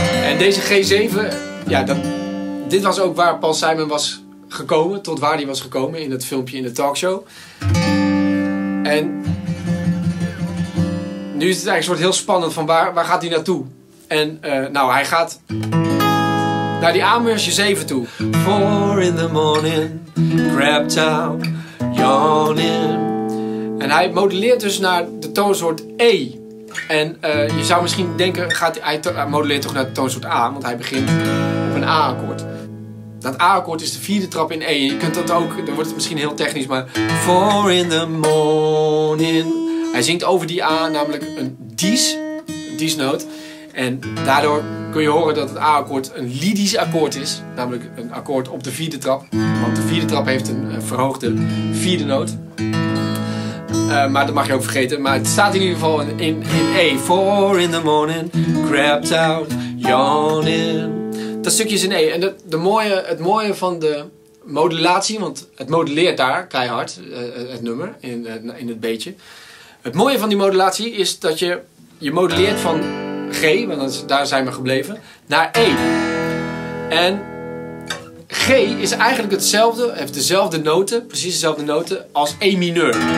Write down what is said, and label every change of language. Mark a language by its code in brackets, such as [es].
[nl] En deze G7, ja, dit was ook waar Paul Simon was gekomen, tot waar hij was gekomen in het filmpje in de talkshow. En nu is het eigenlijk een soort heel spannend van waar gaat hij naartoe? En nou, hij gaat naar die A-meursje 7 toe. [en] 4 in the morning, crap town, yawning. [nl] En hij moduleert dus naar de toonsoort E. En je zou misschien denken, moduleert toch naar de toonsoort A, want hij begint op een A-akkoord. Dat A-akkoord is de vierde trap in E. Je kunt dat ook, dan wordt het misschien heel technisch, maar [en] 4 in the morning. [nl] Hij zingt over die A, namelijk een dies, een diesnoot. En daardoor kun je horen dat het A-akkoord een lydisch akkoord is. Namelijk een akkoord op de vierde trap. Want de vierde trap heeft een verhoogde vierde noot. Maar dat mag je ook vergeten. Maar het staat in ieder geval in E. [en] 4 in the morning, crapped out, yawning. [nl] Dat stukje is in E. En het mooie van de modulatie, want het moduleert daar keihard, het nummer, in het beetje. Het mooie van die modulatie is dat je moduleert van G, want daar zijn we gebleven, naar E. En G is eigenlijk hetzelfde, heeft dezelfde noten, precies dezelfde noten, als E mineur.